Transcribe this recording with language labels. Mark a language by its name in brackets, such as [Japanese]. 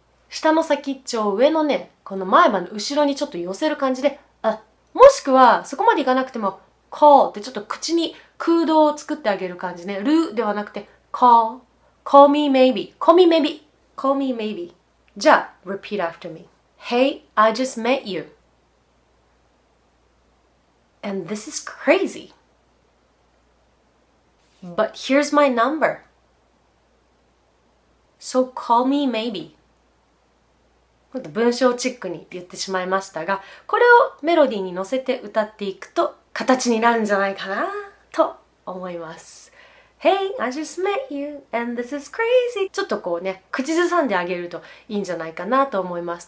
[Japanese] 下の先っちょを上のね、この前歯の後ろにちょっと寄せる感じで。もしくは、そこまでいかなくても、call ってちょっと口に空洞を作ってあげる感じね。るではなくて、 [English] call。call me maybe。 call me maybe。 call me maybe。 [Japanese] じゃあ、 [English] repeat after me.Hey, I just met you.And this is crazy.But here's my number.So call me maybe. [Japanese] ちょっと文章チックに言ってしまいましたが、これをメロディーに乗せて歌っていくと形になるんじゃないかなと思います。 [English] Hey, I just met you and this is crazy。 [Japanese] ちょっとこうね、口ずさんであげるといいんじゃないかなと思います。